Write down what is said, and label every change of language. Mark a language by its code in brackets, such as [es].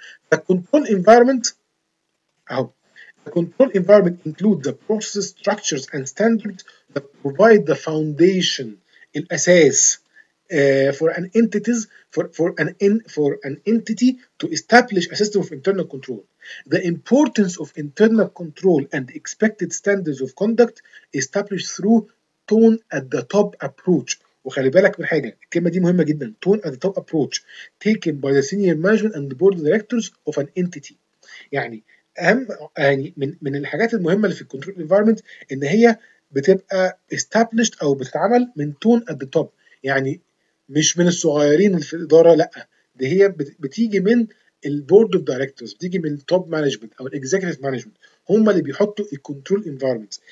[en] فالكنترول انفايرمنت اهو، الكنترول environment include the process structures and standard the provide the foundation, الاساس for an entities for an in for an entity to establish a system of internal control. The importance of internal control and expected standards of conduct established through tone at the top approach. [ar] وخلي بالك من حاجة، الكلمة دي مهمة جدا، [en] tone at the top approach taken by the senior management and the board of directors of an entity. [ar] يعني أهم يعني من الحاجات المهمة اللي في control environment إن هي بتبقى established أو بتتعمل من tone at the top، يعني مش من الصغيرين في الإدارة، لا دي هي بتيجي من البورد اوف دايركتورز، بتيجي من التوب مانجمنت او الاكزيكتيف مانجمنت، هم اللي بيحطوا الكنترول انفايرمنت.